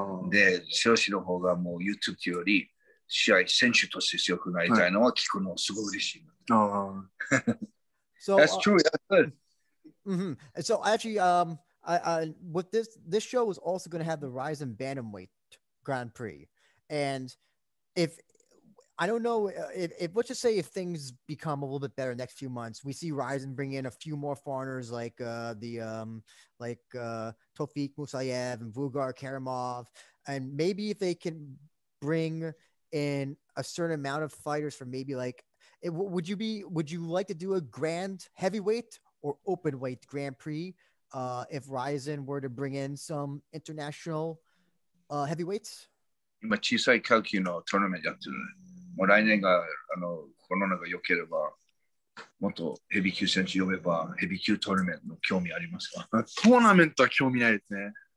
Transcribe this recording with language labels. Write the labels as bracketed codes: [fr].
[ja] で、少子の方がもう YouTube より試合選手として強くなりたいのは聞くのすごい嬉しい。 [en] That's true. That's good. Mm-hmm. So actually, with this show is also going to have the Rizin Bantamweight Grand Prix, and if I don't know if let's just say if things become a little bit better next few months, we see Rizin bring in a few more foreigners like Tofik Musayev and Vugar Karimov, and maybe if they can bring in a certain amount of fighters from maybe like would you like to do a grand heavyweight or open weight Grand Prix if Rizin were to bring in some international heavyweights? [ja] 今小さい階級のトーナメントやってる。もう来年があのコロナが良ければ、もっとヘビー級選手呼べばヘビー級トーナメントの興味ありますか？トーナメントは興味ないですね。